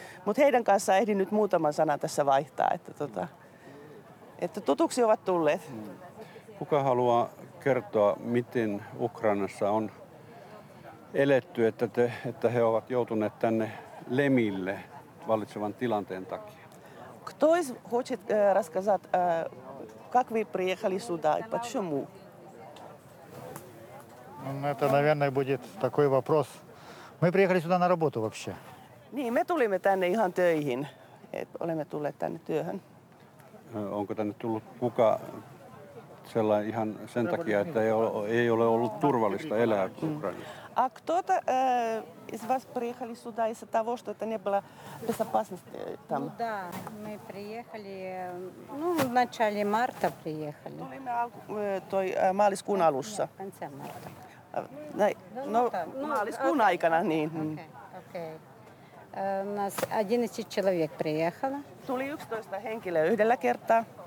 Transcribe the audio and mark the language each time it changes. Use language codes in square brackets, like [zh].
[fi] Mutta heidän kanssaan ehdin nyt muutaman sanan tässä vaihtaa, että tutuksi ovat tulleet. Kuka haluaa kertoa, miten Ukrainassa on eletty, että he ovat joutuneet tänne lemille vallitsevan tilanteen takia? [ru] Кто из хочет рассказать, как вы приехали сюда и почему? Это, наверное, будет такой вопрос. Мы приехали сюда на работу вообще. [fi] Niin, me tulimme tänne ihan töihin. Olemme tulleet tänne työhön. Onko tänne tullut kuka sellainen ihan sen takia, että ei ole ollut turvallista elää Ukrainassa? [ru] А кто-то из вас приехали сюда из-за того, что это не было безопасности там? Да, мы приехали, ну, в начале марта приехали. [fi] Toi maaliskuun alussa. [ru] Конце марта. [fi] No, maaliskuun aikana, niin. [ru] Okei. У нас 11 человек приехало. [fi] Tuli 11 henkilöä yhdellä kertaa.